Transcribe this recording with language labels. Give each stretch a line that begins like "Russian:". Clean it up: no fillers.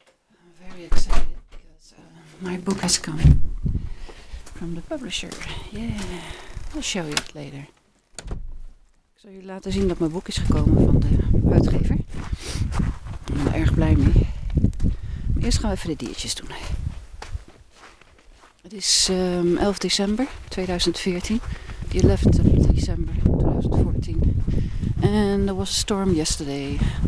English: I'm very excited because my book has come from the publisher. Yeah, I'll show you it later.
Dutch: Ik zal jullie laten zien dat mijn boek is gekomen van de uitgever. Ik ben er erg blij mee. Maar eerst gaan we even de diertjes doen. Het is 11 december 2014.
English: The 11th of December 2014. And there was a storm yesterday.